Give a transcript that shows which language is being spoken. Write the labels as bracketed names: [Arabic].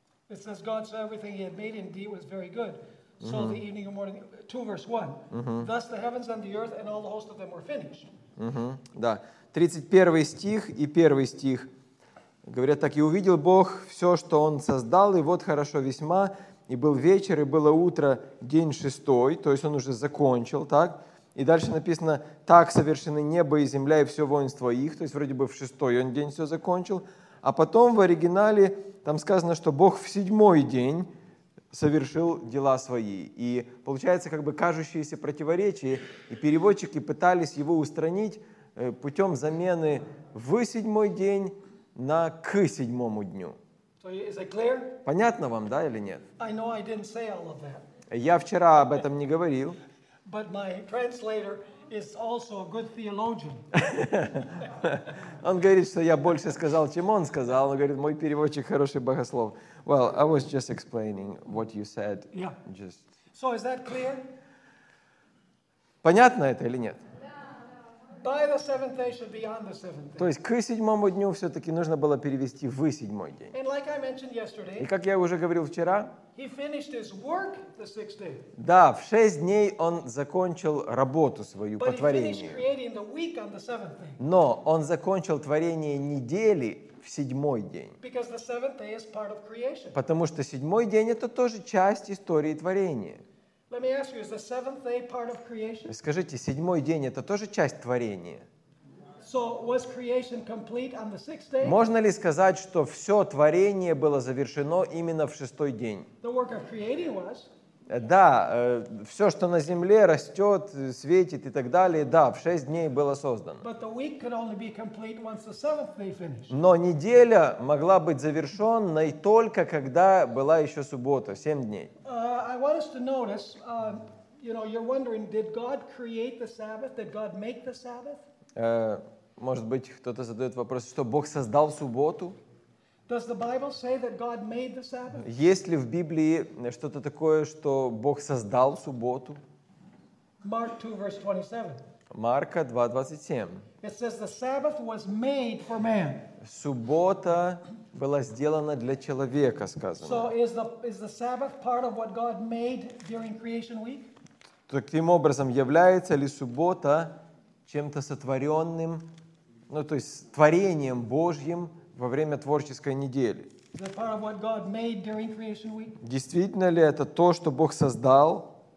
[English] It says God saw everything he had made indeed was very good. So the evening and morning, 2 verse 1. Thus the heavens and the earth and all the host of them were finished. [Russian] Да. 31 стих и 1 стих говорят так, «И увидел Бог все, что Он создал, и вот хорошо весьма, и был вечер, и было утро, день шестой», то есть Он уже закончил, так? И дальше написано, «Так совершены небо и земля, и все воинство их», то есть вроде бы в шестой Он день все закончил. А потом в оригинале там сказано, что Бог в седьмой день совершил дела свои. И получается как бы кажущиеся противоречия, и переводчики пытались его устранить, путем замены «в седьмой день» на «к седьмому дню». [English] So is it clear? [Russian] Понятно вам, да, или нет? [English] I know I didn't say all of that. [Russian] Я вчера об этом не говорил. [English] But my translator is also a good theologian. [Russian] Он говорит, что я больше сказал, чем он сказал. Он говорит, мой переводчик хороший богослов. [English] Well, I was just explaining what you said. Yeah. Just... So is that clear? [Russian] Понятно это или нет? [English] By the seventh day should be on the seventh day. [Russian] То есть к седьмому дню все-таки нужно было перевести в седьмой день. [English] And like I mentioned yesterday, [Russian] и как я уже говорил вчера, [English] he finished his work the sixth day. [Russian] Да, в шесть дней он закончил работу свою [English] But [Russian] по творению. [English] He finished creating the week on the seventh day. [Russian] Но он закончил творение недели в седьмой день. [English] Because the seventh day is part of creation. [Russian] Потому что седьмой день это тоже часть истории творения. [English] Let me ask you, is the seventh day part of creation? [Russian] Скажите, седьмой день это тоже часть творения? [English] So was creation complete on the sixth day? [Russian] Можно ли сказать, что все творение было завершено именно в шестой день? [English] The work of creating was. [Russian] Да, все, что на земле растет, светит и так далее, да, в шесть дней было создано. [English] But the week could only be complete once the seventh day finished. [Russian] Но неделя могла быть завершенной только когда была еще суббота, семь дней. [English] I want us to notice You know, you're wondering, did God create the Sabbath? Did God make the Sabbath? [Russian] Может быть, кто-то задает вопрос, что Бог создал субботу? [English] Does the Bible say that God made the Sabbath? [Russian] Есть ли в Библии что-то такое, что Бог создал субботу? [English] Mark 2, verse 27. [Russian] Марка 2:27. [English] It says the Sabbath was made for man. [Russian] Суббота была сделана для человека, сказано. [English] So is the Sabbath part of what God made during creation week? [Russian] Таким образом, является ли суббота чем-то сотворенным, ну, то есть творением Божьим во время творческой недели? Действительно ли это то, что Бог создал?